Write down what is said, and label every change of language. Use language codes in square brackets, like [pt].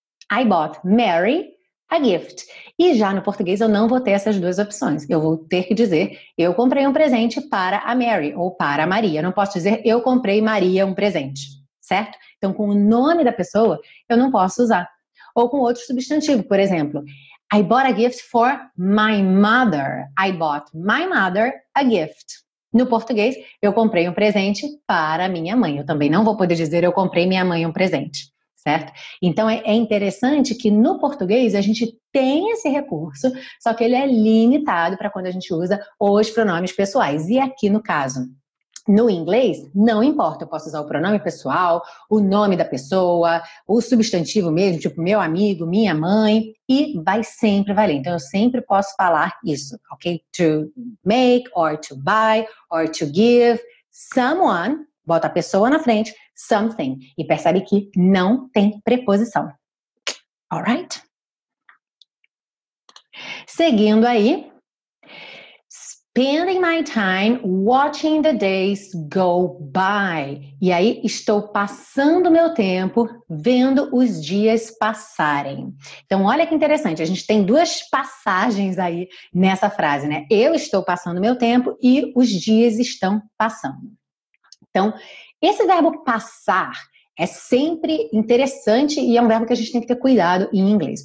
[en] I bought Mary a gift. [pt] E já no português, eu não vou ter essas duas opções. Eu vou ter que dizer, eu comprei um presente para a Mary, ou para a Maria. Eu não posso dizer, eu comprei Maria um presente, certo? Então, com o nome da pessoa, eu não posso usar. Ou com outro substantivo, por exemplo, [en] I bought a gift for my mother. I bought my mother a gift. [pt] No português, eu comprei um presente para minha mãe. Eu também não vou poder dizer eu comprei minha mãe um presente, certo? Então, é interessante que no português a gente tem esse recurso, só que ele é limitado para quando a gente usa os pronomes pessoais. E aqui no caso, no inglês, não importa, eu posso usar o pronome pessoal, o nome da pessoa, o substantivo mesmo, tipo meu amigo, minha mãe, e vai sempre valer. Então, eu sempre posso falar isso, ok? [en] To make, or to buy, or to give someone, [pt] bota a pessoa na frente, [en] something. [pt] E percebe que não tem preposição. [en] Alright? [pt] Seguindo aí. [en] Spending my time watching the days go by. [pt] E aí, estou passando meu tempo vendo os dias passarem. Então, olha que interessante. A gente tem duas passagens aí nessa frase, né? Eu estou passando meu tempo e os dias estão passando. Então, esse verbo passar é sempre interessante e é um verbo que a gente tem que ter cuidado em inglês.